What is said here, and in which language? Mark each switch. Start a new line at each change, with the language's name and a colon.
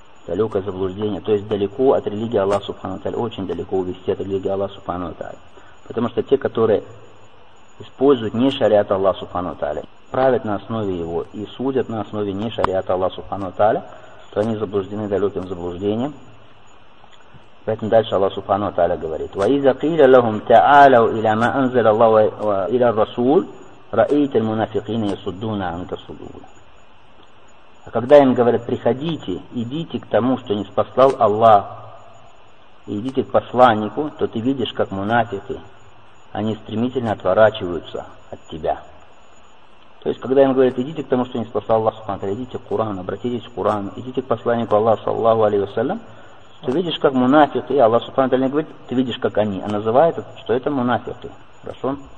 Russian: далекое заблуждение, то есть далеко от религии Аллаха Субхану Таля, очень далеко увести от религии Аллаха Субхану Таля. Потому что те, которые используют не шариат Аллаха Субхану Таля, правят на основе его и судят на основе не шариата Аллаха Субхану Таля, то они заблуждены далеким заблуждением. Поэтому дальше Аллах Субхану Таля говорит:
Arabic: وَإِذَا قِيلَ لَهُمْ تَعَالَوْا إِلَى مَا أَنزَلَ اللَّهُ وَإِلَى الرَّسُولِ رَأَيْتَ الْمُنَافِقِينَ يَصُدُّونَ عَنكَ صُدُودًا.
Russian: А когда им говорят: приходите, идите к тому, что не спаслал Аллах, и идите к посланнику, то ты видишь, как мунафики, они стремительно отворачиваются от тебя. То есть, когда им говорят: идите к тому, что не спаслал Аллах Субхану Таля, идите к Курану, обратитесь к Курану, идите к посланнику Аллаха, саллаллаху алейхи вассалям, ты видишь, как мунафики, Аллах Субхану Таля говорит, ты видишь, как они, а называет, что это мунафики. Хорошо?